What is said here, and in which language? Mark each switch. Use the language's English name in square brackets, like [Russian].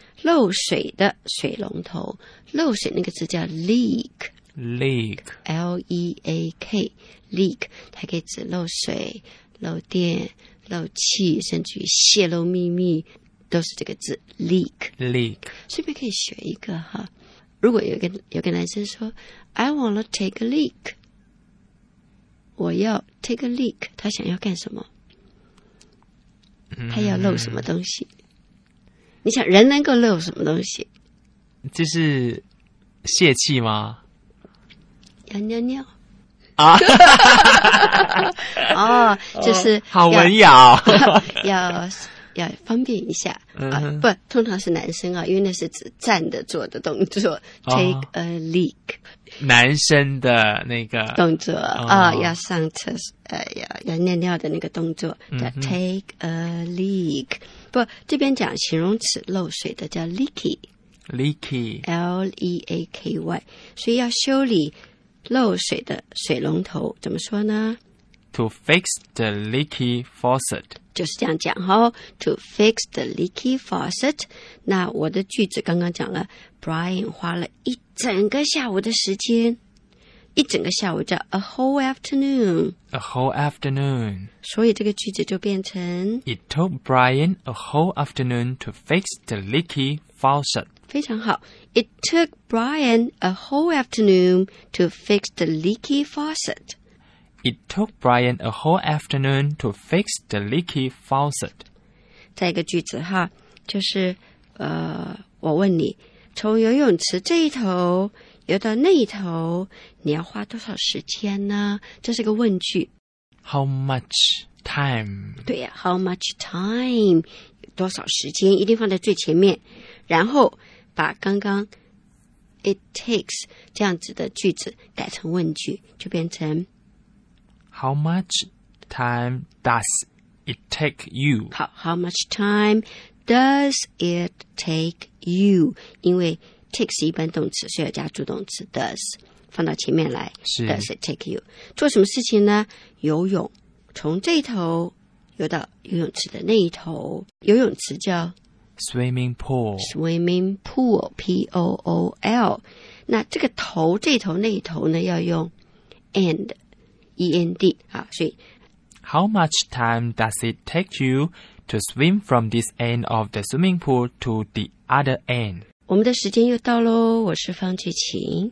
[Chinese] 漏水的水龙头，漏水那个字叫 leak. [English] Leak. L-E-A-K, leak. [Chinese] 它可以指漏水、漏电、漏气，甚至于泄露秘密，都是这个字 leak. [English] Leak. [Chinese] 顺便可以学一个哈。如果有个男生说 [English] I want to take a leak. [Chinese] 我要 [English] take a leak， [Chinese] 他想要干什么？他要漏什么东西？嗯、你想人能够漏什么东西？就是泄气吗？要尿尿啊！哦，就是、哦、好文雅、哦，要方便一下、嗯、啊！不，通常是男生啊，因为那是指站着做的动作、哦、， [English] take a leak。 [Chinese] 男生的那个动作啊、哦哦，要上厕所，要尿尿的那个动作叫 [English] take a leak。 [Chinese] 不，这边讲形容词漏水的叫 leaky，L-E-A-K-Y。所以要修理漏水的水龙头，怎么说呢 [English] ？To fix the leaky faucet， [Chinese] 就是这样讲哈、哦。 [English] To fix the leaky faucet， [Chinese] 那我的句子刚刚讲了。 Brian 花了一整个下午的时间，一整个下午叫 [English] a whole afternoon. A whole afternoon. [Chinese] 所以这个句子就变成 [English] It took Brian a whole afternoon to fix the leaky faucet. [Chinese] 非常好。 [English] It took Brian a whole afternoon to fix the leaky faucet. It took Brian a whole afternoon to fix the leaky faucet. [Chinese] 再一个句子哈，就是我问你。从游泳池这一头游到那一头，你要花多少时间呢？这是个问句。 [English] How much time? [Chinese] 对呀、 [English] 啊、，How much time? [Chinese] 多少时间一定放在最前面，然后把刚刚 [English] it takes [Chinese] 这样子的句子改成问句，就变成 [English] How much time does it take you? [Chinese] 好 [English] ，How much time? Does it take you? [Chinese] 因为 take 是一般动词，所以要加助动词 does 放到前面来。是 [English] Does it take you? [Chinese] 做什么事情呢？游泳，从这一头游到游泳池的那一头。游泳池叫 [English] swimming pool. Swimming pool, P-O-O-L. [Chinese] 那这个头这一头那一头呢？要用 and, E-N-D 啊。所以 [English] How much time does it take you? To swim from this end of the swimming pool to the other end. [Chinese] 我们的时间又到咯，我是方俊琴，